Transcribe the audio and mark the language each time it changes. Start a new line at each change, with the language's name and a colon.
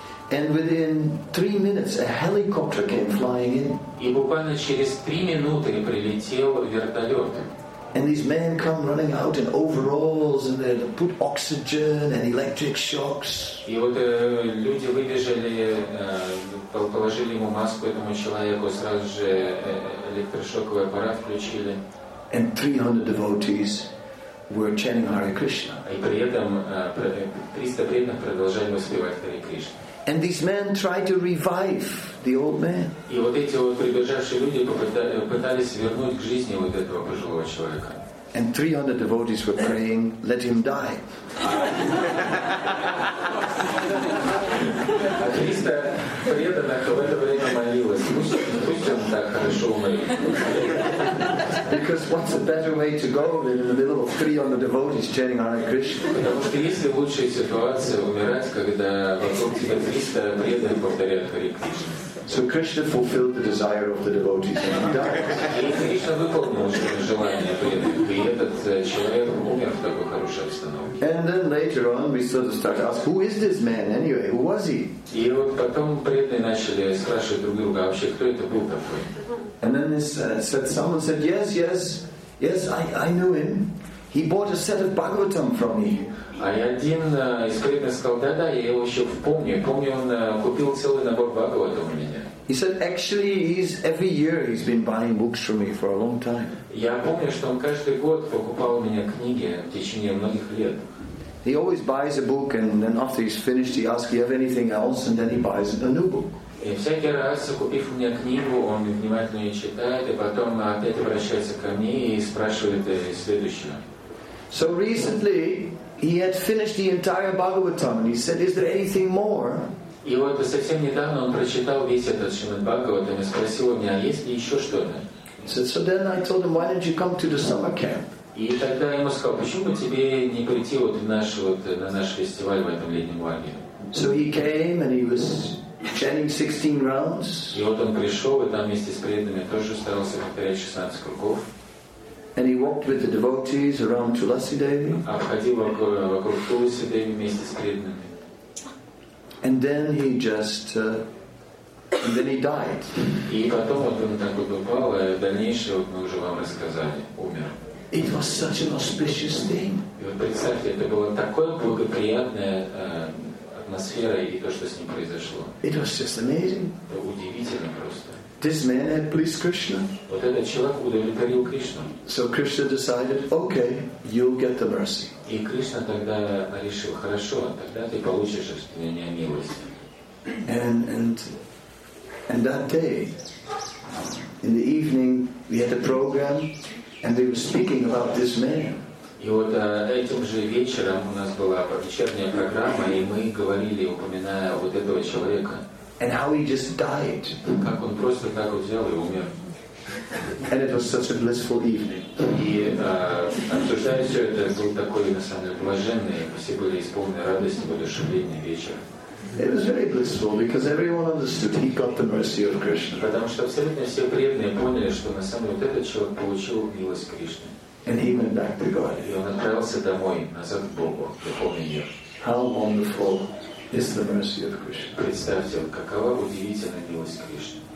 English: And within 3 minutes, a helicopter came flying in.
Russian: И буквально через 3 минуты прилетел вертолет.
English: And these men come running out in overalls, and they put oxygen and electric shocks.
Russian: И вот люди выбежали, положили ему маску этому человеку, сразу же электрошоковый аппарат включили.
English: And 300 devotees were chanting Hare Krishna.
Russian: И при этом 300 преданных продолжали воспевать Hare Krishna.
English: And these men tried to revive the old man.
Russian: И вот эти вот прибежавшие люди пытались вернуть к жизни вот этого пожилого человека.
English: And 300 devotees were praying, let him die.
Russian: 300 преданных в это время молилось, пусть он так хорошо умрет.
English: Because what's a better way to go than in the middle of 300 devotees chanting Hare Krishna?
Russian: Потому что есть ли лучшая ситуация умирать, когда вокруг тебя 300 преданных повторяют Hare Krishna?
English: So Krishna fulfilled the desire of the devotees and he died.
Russian: И Кришна выполнил желание преданных, и этот человек умер в такой хорошей обстановке.
English: And then later on we sort of start to ask, who is this man anyway? Who was he?
Russian: И вот потом преданные начали спрашивать друг друга, вообще кто это был такой?
English: And then someone said, yes, I knew him. He bought a set of Bhagavatam from me.
Russian: А один из преданных сказал, да, я его еще помню. Помню, он купил целый набор Бхагаватам у меня.
English: He said, actually, every year he's been buying books from me for a long time.
Russian: Я помню, что он каждый год покупал у меня книги в течение многих лет.
English: He always buys a book and then after he's finished he asks, you have anything else? And then he buys a new book.
Russian: И всякий раз, купив у меня книгу, он внимательно ее читает и потом опять обращается ко мне и спрашивает следующее.
English: So recently, he had finished the entire Bhagavatam and he said, is there anything more?
Russian: И вот совсем недавно он прочитал весь этот Шримад Бхагаватам и спросил у меня, есть ли еще что-то?
English: So then I told him, why don't you come to the summer camp?
Russian: И тогда я ему сказал, почему бы тебе не прийти вот на наш фестиваль в этом летнем лагере?
English: So he came and he was chanting 16 rounds.
Russian: И вот он пришел и там вместе с преданными тоже старался повторять 16 кругов.
English: And he walked with the devotees around Tulasi Devi.
Russian: Обходил вокруг Тулси Деви вместе с преданными.
English: And then he just and then he died.
Russian: И потом вот он так вот упал, и в дальнейшем мы уже вам рассказали, умер.
English: It was such an auspicious thing.
Russian: И вот представьте, это было такое благоприятное атмосфера и то, что с ним произошло.
English: It was just amazing.
Russian: Это удивительно просто.
English: This man had pleased Krishna.
Russian: Вот этот человек удовлетворил Кришну.
English: So Krishna decided, okay, you'll get the mercy.
Russian: И Кришна тогда решил, хорошо, тогда ты получишь исцеление милости.
English: And that day, in the evening, we had a program, and we were speaking about this man.
Russian: И вот этим же вечером у нас была вечерняя программа, и мы говорили, упоминая вот этого человека.
English: And how he just died.
Russian: Как он просто так вот взял и умер.
English: And it was such a blissful evening.
Russian: И обсуждая все это, был такой на самом деле блаженный, все были исполнены радости, воодушевления вечер.
English: It was very blissful because everyone understood he got the mercy of Krishna.
Russian: Потому что абсолютно все преданные поняли, что на самом деле вот этот человек получил милость Кришны.
English: And he went back to God.
Russian: И он отправился домой, назад к Богу, в духовный мир.
English: How wonderful is the mercy of Krishna.
Russian: Представьте, какова удивительная милость Кришны.